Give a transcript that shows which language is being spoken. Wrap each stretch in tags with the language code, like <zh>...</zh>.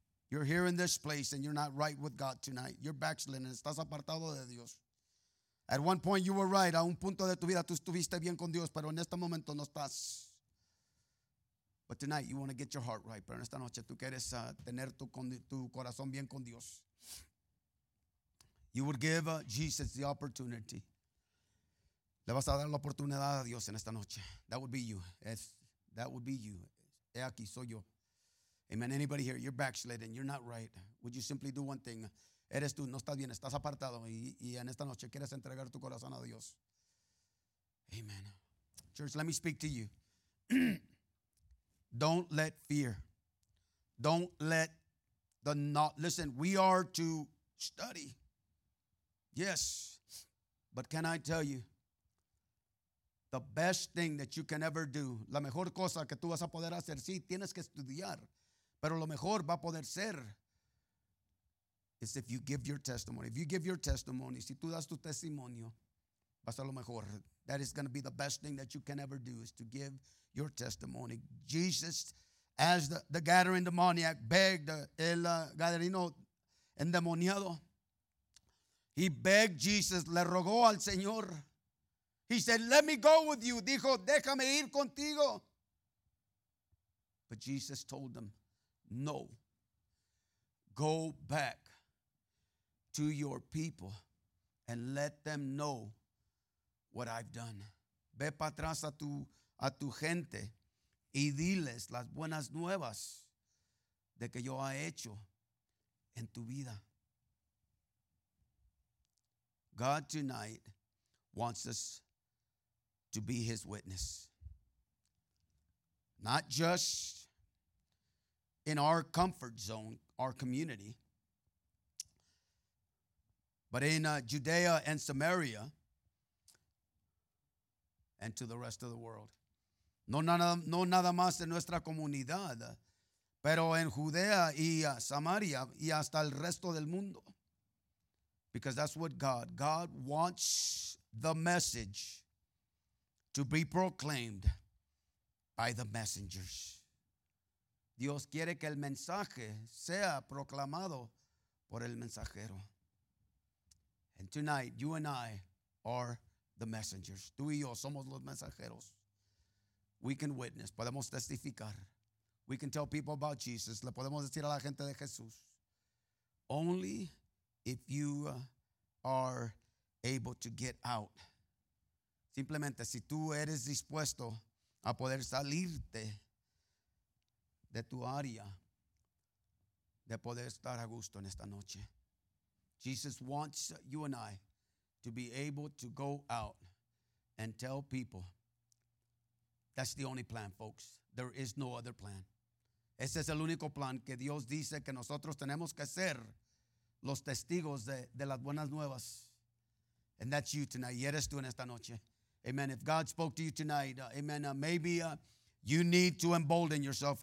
<en>You're here in this place and you're not right with God tonight. You're backslidden.</en> <es>Estás apartado de Dios.</es> <en>At one point you were right.</en> <es>A un punto de tu vida tú estuviste bien con Dios, pero en este momento no estás.</es> <en>But tonight you want to get your heart right.</en> <es>Pero en esta noche tú quieres tener tu corazón bien con Dios.</es> <en>You would give Jesus the opportunity.</en> <es>Le vas a dar la oportunidad a Dios en esta noche.</es> <en>That would be you. That would be you.</en> <es>He aquí, soy yo.</es> <en>Amen. Anybody here, you're backslidden. You're not right. Would you simply do one thing?</en> <es>Eres tú, no estás bien, estás apartado. Y en esta noche quieres entregar tu corazón a Dios.</es> <en>Amen. Church, let me speak to you. Don't let fear. Don't let the not. Listen, we are to study. Yes. But can I tell you? The best thing that you can ever do.</en> <es>La mejor cosa que tú vas a poder hacer. Sí, tienes que estudiar. Pero lo mejor va a poder ser.</es> <en>Is if you give your testimony. If you give your testimony.</en> <es>Si tú das tu testimonio, va a ser lo mejor.</es> <en>That is going to be the best thing that you can ever do. Is to give your testimony. Jesus, as the gathering demoniac, begged</en> <es>el gaderino endemoniado.</es> <en>He begged Jesus.</en> <es>Le rogó al Señor.</es> <en>He said, let me go with you.</en> <es>Dijo, déjame ir contigo.</es> <en>But Jesus told them, no. Go back to your people and let them know what I've done.</en> <es>Ve para atrás a tu gente y diles las buenas nuevas de que yo ha hecho en tu vida.</es> <en>God tonight wants us to be his witness. Not just in our comfort zone, our community, but in Judea and Samaria and to the rest of the world.</en> <es>No nada más en nuestra comunidad, pero en Judea y Samaria y hasta el resto del mundo.</es> <en>Because that's what God wants the message to be proclaimed by the messengers.</en> <es>Dios quiere que el mensaje sea proclamado por el mensajero.</es> <en>And tonight, you and I are the messengers.</en> <es>Tú y yo somos los mensajeros.</es> <en>We can witness.</en> <es>Podemos testificar.</es> <en>We can tell people about Jesus.</en> <es>Le podemos decir a la gente de Jesús.</es> <en>Only if you are able to get out.</en> <es>Simplemente, si tú eres dispuesto a poder salirte de tu área, de poder estar a gusto en esta noche.</es> <en>Jesus wants you and I to be able to go out and tell people. That's the only plan, folks. There is no other plan.</en> <es>Ese es el único plan que Dios dice que nosotros tenemos que ser los testigos de las buenas nuevas.</es> <en>And that's you tonight.</en> <es>Y eres tú en esta noche.</es> <en>Amen. If God spoke to you tonight, amen. Maybe you need to embolden yourself.</en>